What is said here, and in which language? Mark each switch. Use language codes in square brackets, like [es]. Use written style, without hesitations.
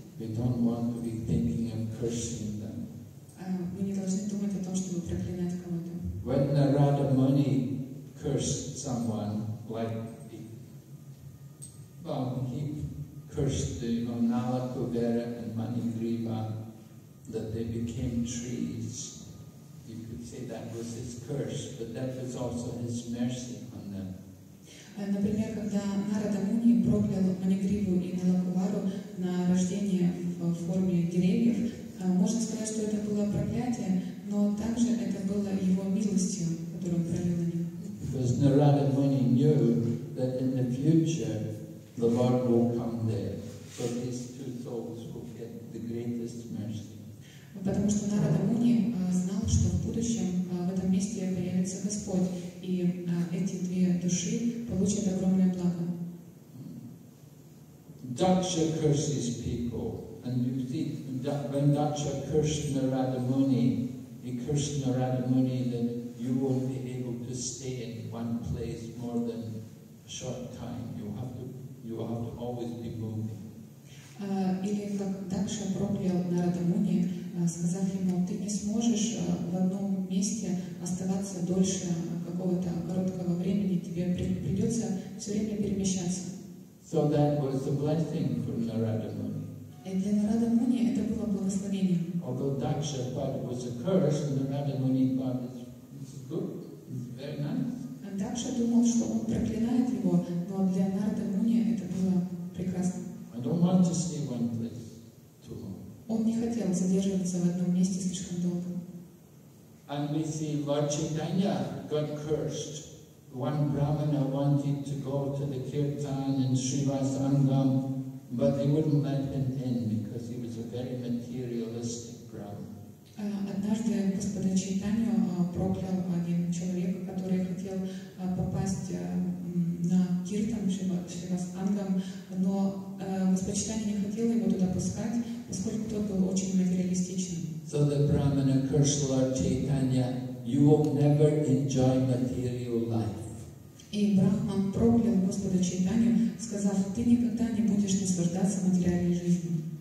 [en] We don't want to be thinking of cursing them. [ru] Мы не должны думать о том, чтобы проклинать кого-то. [en] When Narada Muni cursed someone, like he, he cursed the Onala Kubera and Manigriva, that they became trees. You could say that was his curse, but that was also his mercy on them. [ru] Например, когда Нарада Муни проклял Манигриву и Налакувару на рождение в форме деревьев, можно сказать, что это было проклятие, но также это было его милостью, которую он пролил на них. [en] Because Нарада Муни knew that in the future the Lord will come there, so these two souls will get the greatest mercy. [ru] Потому что Нарада Муни знал, что в будущем в этом месте появится Господь, и эти две души получат огромное благо. [en] Daksha curses people, and you see that when Daksha cursed Narada Muni, he cursed Narada Muni that you won't be able to stay in one place more than a short time. You have to always be moving. [ru] Или как Дакша проклял Нарада Муни, сказав ему, ты не сможешь в одном месте оставаться дольше какого-то короткого времени, тебе придется все время перемещаться. [en] So that was a blessing for Narada Muni. [ru] И для Нарада Муни это было благословение. [en] Although Дакша thought it was a curse, Нарада Муни thought it's good, it's very nice. [ru] Дакша думал, что он проклинает его, но для Нарада Муни это было прекрасно. [en] I don't want to stay one place too long. [ru] Он не хотел задерживаться в одном месте слишком долго. [en] And we see Lord Chaitanya got cursed. One Brahmana wanted to go to the Kirtan in Srivasangam, but they wouldn't let him in because he was a very materialistic Brahmana. [ru] Однажды господин Чайтанья проклял один человека, который хотел попасть на Киртан Шривасангам, но Господчитание не хотело его туда пускать, поскольку тот был очень материалистичным. [en] So the Brahmana cursed Lord Chaitanya, you will never enjoy material life. [ru] И Брахман проклял Господа Чайтанью, сказав, ты никогда не будешь наслаждаться материальной жизнью.